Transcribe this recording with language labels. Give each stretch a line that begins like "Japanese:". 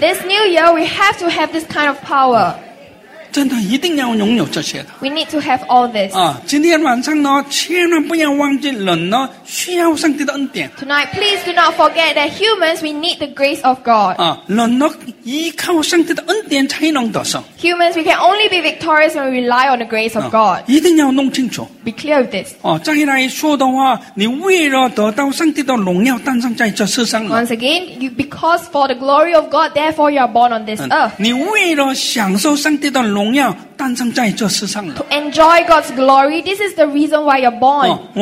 English: This new year, we have to have this kind of power.
Chinese: 真的一定要拥有这些的。
English: We need to have all this.
Chinese: 今天晚上呢，千万不要忘记人呢需要上帝的恩典。
English: Tonight, please do not forget that humans we need the grace of God.
Chinese: 人呢依靠上帝的恩典才能得胜。
English: Humans, we can only be victorious when we rely on the grace of God.
Chinese: 一定要弄清楚。
English: Be clear with this.
Chinese: 再来说的话，你为了得到上帝的荣耀，诞生在这世上。
English: Once again, you, because for the glory of God, therefore you are born on this earth.
Chinese: 你为了享受上帝的荣耀。
English: To enjoy God's glory, this is the reason why you're born.